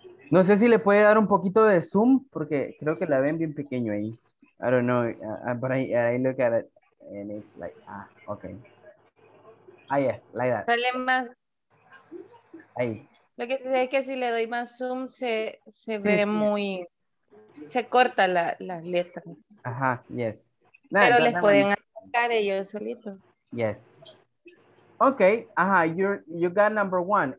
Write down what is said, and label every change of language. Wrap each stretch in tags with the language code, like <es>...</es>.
<es>No sé si le puede dar un poquito de zoom, porque creo que la ven bien pequeño ahí.</es> <en>I don't know, but I look at it and it's like, okay. Ah, yes, like that.</en> <es>Sale más. Ahí. Lo que sé es que si le doy más zoom, se ve muy, se corta las letras.</es> <en>Ajá, yes.</en> <es>Nah, pero les pueden acercar ellos solitos.</es> <en>Yes. Okay, ajá, you got number one.</en>